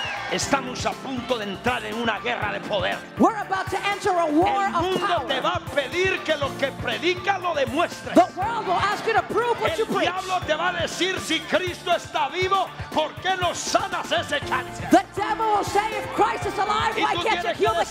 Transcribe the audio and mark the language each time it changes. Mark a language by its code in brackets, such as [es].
[es] Estamos a punto de entrar en una guerra de poder. [en] We're about to enter a war of power. [es] El mundo te va a pedir que lo que predicas lo demuestres. [en] The world will ask you to prove what you preach. [es] El diablo te va a decir si Cristo está vivo, ¿por qué no sanas ese cáncer? [en] The devil will say if Christ is alive, why can't you heal the cancer?